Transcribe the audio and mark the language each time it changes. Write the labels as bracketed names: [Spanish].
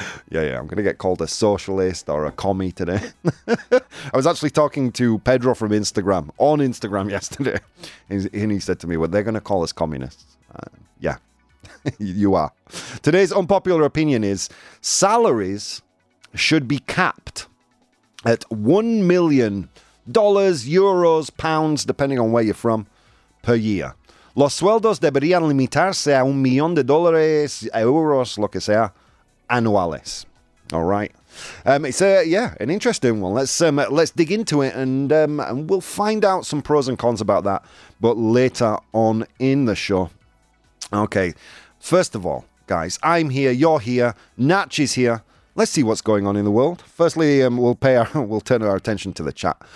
[English] Yeah, I'm going to get called a socialist or a commie today. I was actually talking to Pedro from Instagram, on Instagram yesterday, and he said to me, well, they're going to call us communists. Yeah, you are. Today's unpopular opinion is salaries should be capped at $1 million, euros, pounds, depending on where you're from, per year. [Spanish] Los sueldos deberían limitarse a $1 million, euros, lo que sea, anuales. [English] All right. It's an interesting one. Let's dig into it, and we'll find out some pros and cons about that, but later on in the show. Okay. First of all, guys, I'm here. You're here. Natch is here. Let's see what's going on in the world. Firstly, we'll turn our attention to the chat.